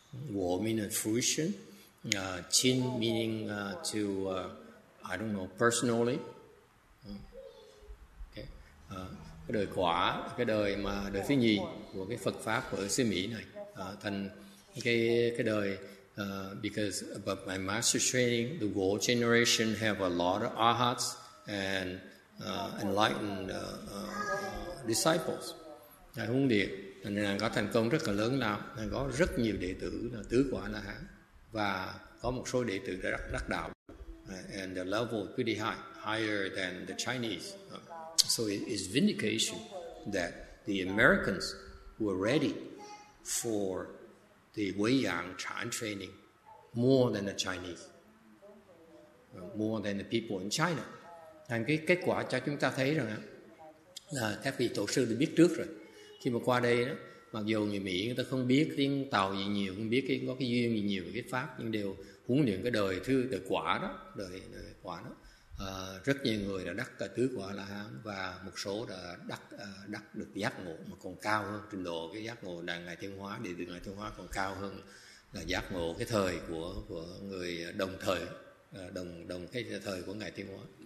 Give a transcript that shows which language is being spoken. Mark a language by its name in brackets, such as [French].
[English] Guo meaning fruition, Qin meaning I don't know, personally. [Vietnamese] Cái đời quả, cái đời mà đời thứ nhì của cái Phật pháp của xứ Mỹ này, thành cái đời [English] because about my master training, the world generation have a lot of arhats and enlightened disciples. [Vietnamese] Ngài huấn luyện nên là có thành công rất là lớn, nào là có rất nhiều đệ tử là tứ quả là hán và có một số đệ tử đã đắc đạo, [English] and the level pretty high, higher than the Chinese. So it is vindication that the Americans were ready for the Weiyang Chan training more than the Chinese, more than the people in China. [Vietnamese] Thành cái kết quả cho chúng ta thấy rằng là các vị tổ sư đã biết trước rồi. Khi mà qua đây đó, mặc dù người Mỹ người ta không biết tiếng Tàu gì nhiều, không biết có cái duyên gì nhiều về cái Pháp, nhưng đều huấn luyện cái đời thư, đời quả đó, đời quả đó. Rất nhiều người đã đắc tứ quả la hán và một số đã đắc được giác ngộ mà còn cao hơn trình độ cái giác ngộ đàn ngài Thiên Hóa, để được ngài Thiên Hóa còn cao hơn là giác ngộ cái thời của người đồng thời đồng cái thời của ngài Thiên Hóa.